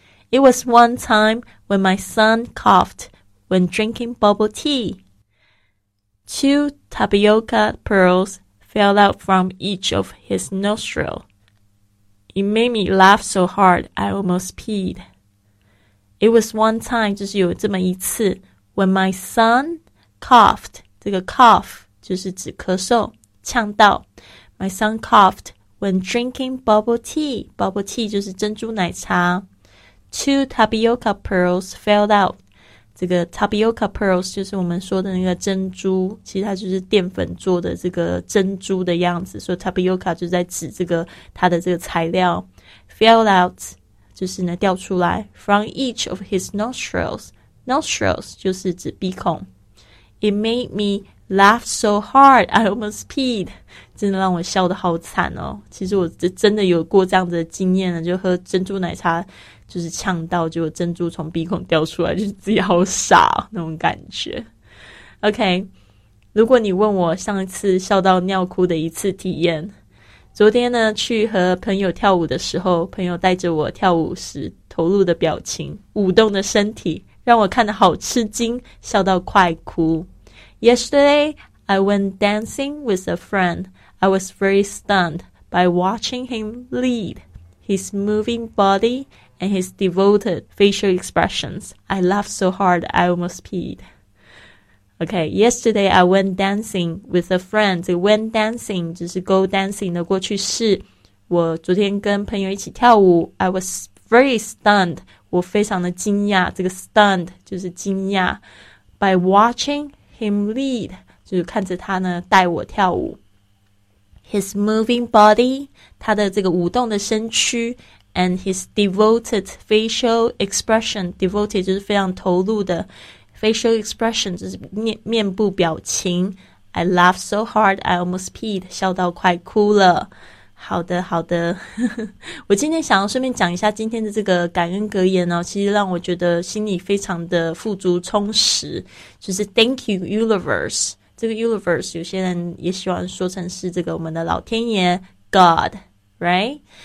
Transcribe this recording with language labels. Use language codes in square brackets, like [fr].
[en] It was one time when my son coughed when drinking bubble tea. Two tapioca pearls fell out from each of his nostrils. It made me laugh so hard I almost peed. It was one time, [zh] 就是有这么一次 [en] when my son coughed, 这个 cough [zh] 就是指咳嗽，呛到。 [en] My son coughed when drinking bubble tea. [zh] Bubble tea 就是珍珠奶茶。 [en] Two tapioca pearls fell out. [zh] 这个 tapioca pearls 就是我们说的那个珍珠，其实它就是淀粉做的这个珍珠的样子，所以 tapioca 就在指这个它的这个材料。 Fell out 就是呢掉出来。 [en] From each of his nostrils. [zh] Nostrils 就是指鼻孔。 [en] It made me laugh so hard I almost peed. [zh] 真的让我笑得好惨哦，其实我真的有过这样子的经验了，就喝珍珠奶茶就是呛到，结果珍珠从鼻孔掉出来，就是自己好傻、哦、那种感觉。 OK， 如果你问我上一次笑到尿哭的一次体验，昨天呢去和朋友跳舞的时候，朋友带着我跳舞时投入的表情，舞动的身体让我看得好吃惊，笑到快哭。 [en] YesterdayI went dancing with a friend. I was very stunned by watching him lead, his moving body, and his devoted facial expressions. I laughed so hard, I almost peed. Okay, yesterday I went dancing with a friend. [zh] 这个 went dancing 就是 go dancing 的过去式。我昨天跟朋友一起跳舞。 [en] I was very stunned. [zh] 我非常的惊讶。这个 stunned 就是惊讶。 [en] By watching him lead, [zh] 就是看着他呢带我跳舞。 [en] His moving body, [zh] 他的这个舞动的身躯。 [en] And his devoted facial expression, devoted [zh] 就是非常投入的。 Facial expression 就是 面部表情 [en] I laughed so hard I almost peed [zh] 笑到快哭了好的好的我今天想要顺便讲一下今天的这个感恩格言哦，其实让我觉得心里非常的富足充实就是 [en] Thank you universe [zh] 这个 universe 有些人也喜欢说成是这个我们的老天爷 God Right?